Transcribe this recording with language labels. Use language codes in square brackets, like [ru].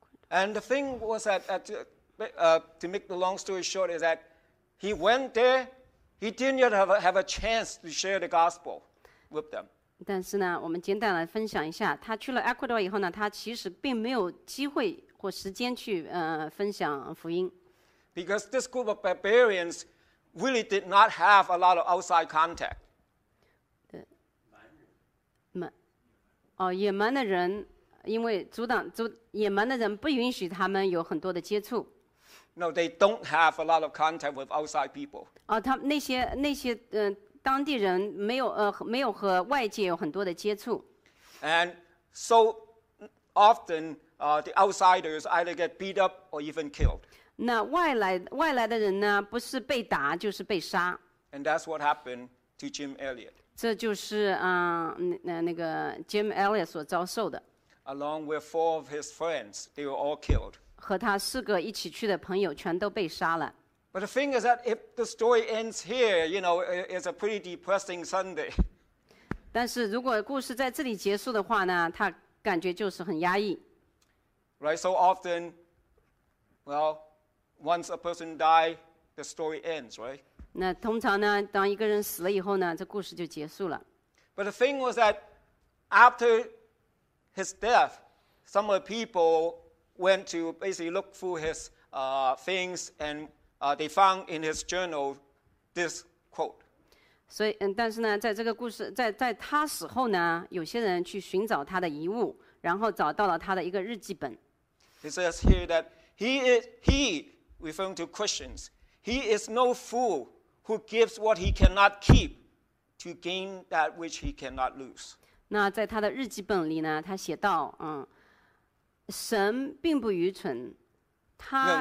[en] And the thing was that, to make the long story short, is that he went there, he didn't yet have a chance to share the gospel with them. [zh] 但是呢，我们简短的分享一下，他去了 Ecuador 以后呢，他其实并没有机会或时间去分享福音。 [en] Because this group of barbarians really did not have a lot of outside contact. [zh] 野蛮的人。因为阻挡阻野蛮的人不允许他们有很多的接触。 [en] No, they don't have a lot of contact with outside people. [zh] 他那些当地人没有和外界有很多的接触。 [en] And so often, the outsiders either get beat up or even killed. [zh] 那外来的人呢，不是被打就是被杀。 [en] And that's what happened to Jim Elliot. [zh] 这就是那个 Jim Elliot 所遭受的。 [en] Along with four of his friends, they were all killed. [zh] 和他四个一起去的朋友全都被杀了。 [en] But the thing is that if the story ends here, you know, it's a pretty depressing Sunday. [zh] 但是如果故事在这里结束的话呢，他感觉就是很压抑。 [en] Right, so often, well, once a person dies, the story ends, right? [zh] 那通常呢，当一个人死了以后呢，这故事就结束了。 [en] But the thing was that after his death, some of the people went to basically look through his things and they found in his journal this quote. [zh] 所以但是呢在这个故事在他死后呢有些人去寻找他的遗物然后找到了他的一个日记本。 [en] He says here that he, referring to Christians, he is no fool who gives what he cannot keep to gain that which he cannot lose. [zh] 那在他的日记本里呢他写道神并不愚蠢他